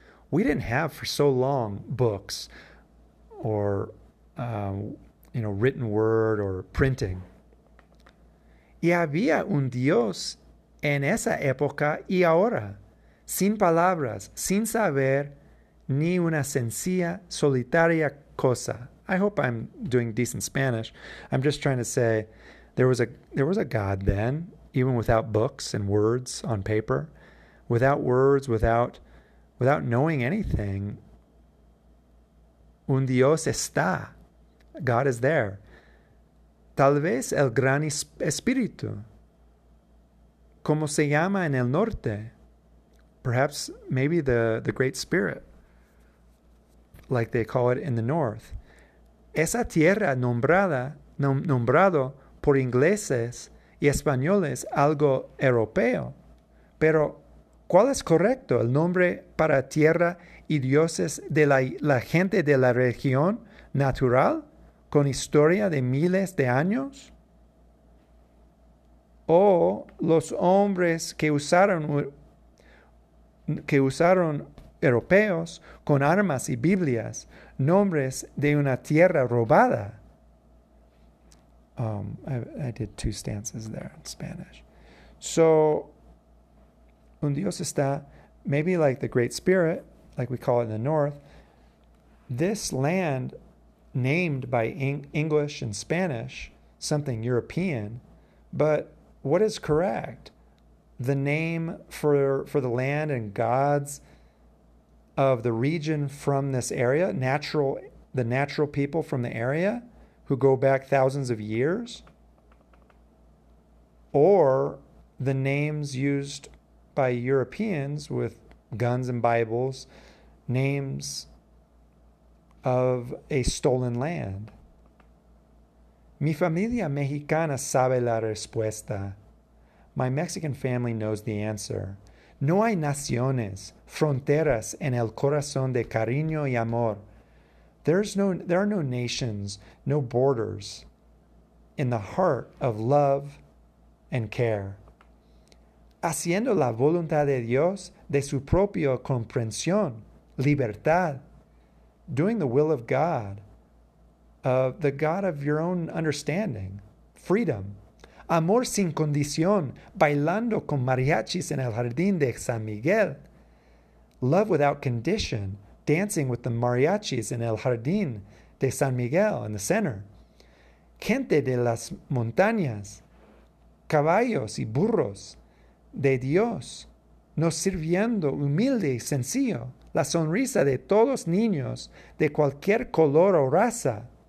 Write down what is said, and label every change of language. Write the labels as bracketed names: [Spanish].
[English] We didn't have for so long books or, written word or printing. [Spanish] Y había un Dios. En esa época y ahora, sin palabras, sin saber ni una sencilla, solitaria cosa. [English] I hope I'm doing decent Spanish. I'm just trying to say there was a God then, even without books and words on paper, without words, without knowing anything. [Spanish] Un Dios está. [English] God is there. [Spanish] Tal vez el gran espíritu. Como se llama en el norte? [English] Perhaps, maybe the Great Spirit, like they call it in the north. [Spanish] Esa tierra nombrada, nombrado por ingleses y españoles algo europeo. Pero, ¿cuál es correcto? ¿El nombre para tierra y dioses de la gente de la región natural con historia de miles de años? O los hombres que usaron europeos con armas y Biblias, nombres de una tierra robada. [English] I did two stanzas there in Spanish. So, [Spanish] un Dios está, [English] maybe like the Great Spirit, like we call it in the North, this land named by English and Spanish, something European, but what is correct? The name for the land and gods of the region from this area, the natural people from the area who go back thousands of years, or the names used by Europeans with guns and Bibles, names of a stolen land. [Spanish] Mi familia mexicana sabe la respuesta. [English] My Mexican family knows the answer. [Spanish] No hay naciones, fronteras en el corazón de cariño y amor. [English] There are no nations, no borders in the heart of love and care. [Spanish] Haciendo la voluntad de Dios de su propia comprensión, libertad. [English] Doing the will of God, of the God of your own understanding, freedom. [Spanish] Amor sin condición, bailando con mariachis en el jardín de San Miguel. [English] Love without condition, dancing with the mariachis in [Spanish] el jardín de San Miguel [English] in the center. [Spanish] Gente de las montañas, caballos y burros de Dios, nos sirviendo humilde y sencillo, la sonrisa de todos niños de cualquier color o raza.